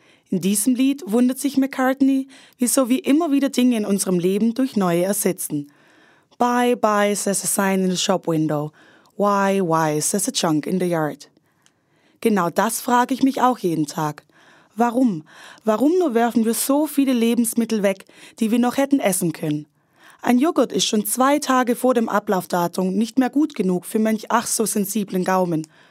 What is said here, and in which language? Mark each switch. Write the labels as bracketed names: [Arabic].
[German] In diesem Lied wundert sich McCartney, wieso wir immer wieder Dinge in unserem Leben durch neue ersetzen. [English] Bye, bye, says a sign in the shop window. Why, says a junk in the yard. [German] Genau das frage ich mich auch jeden Tag. Warum? Warum nur werfen wir so viele Lebensmittel weg, die wir noch hätten essen können? Ein Joghurt ist schon 2 Tage vor dem Ablaufdatum nicht mehr gut genug für manch ach so sensiblen Gaumen.